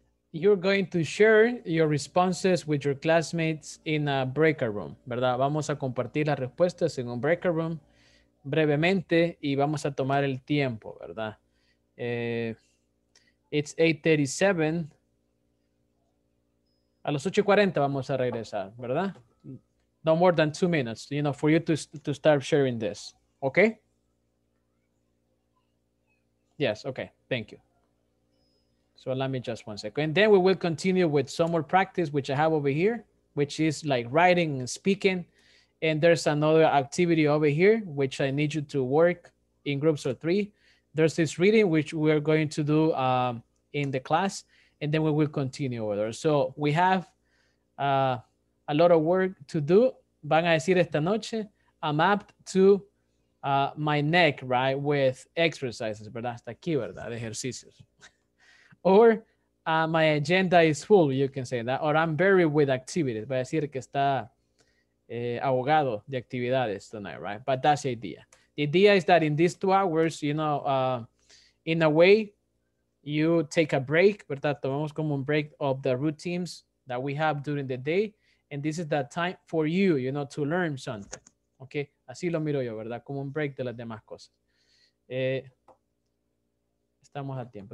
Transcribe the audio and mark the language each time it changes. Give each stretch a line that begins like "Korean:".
English: You're going to share your responses with your classmates in a breakout room, ¿verdad?
Spanish: Vamos a compartir las respuestas en un breakout room brevemente y vamos a tomar el tiempo, ¿verdad?
English: It's 8:37.
Spanish: A los 8:40 vamos a regresar, ¿verdad?
English: No more than 2 minutes, you know, for you to start sharing this, ¿okay? Yes, okay, thank you. So let me just 1 second. And then we will continue with some more practice, which I have over here, which is like writing and speaking. And there's another activity over here, which I need you to work in groups of 3. There's this reading, which we are going to do in the class. And then we will continue over there. So we have a lot of work to do.
Spanish: Van a decir esta noche,
English: I'm apt to my neck, right? With exercises,
Spanish: ¿verdad? Hasta aquí, ¿verdad? De ejercicios.
English: Or my agenda is full, you can say that. Or I'm buried with activities.
Spanish: Voy a decir que está ahogado de actividades
English: tonight, right? But that's the idea. The idea is that in these 2 hours, you know, in a way, you take a break, ¿verdad?
Spanish: Tomamos como un
English: break of the routines that we have during the day. And this is that time for you, you know, to learn something.
Spanish: Okay? Así lo miro yo, ¿verdad? Como un break de las demás cosas. Estamos a tiempo.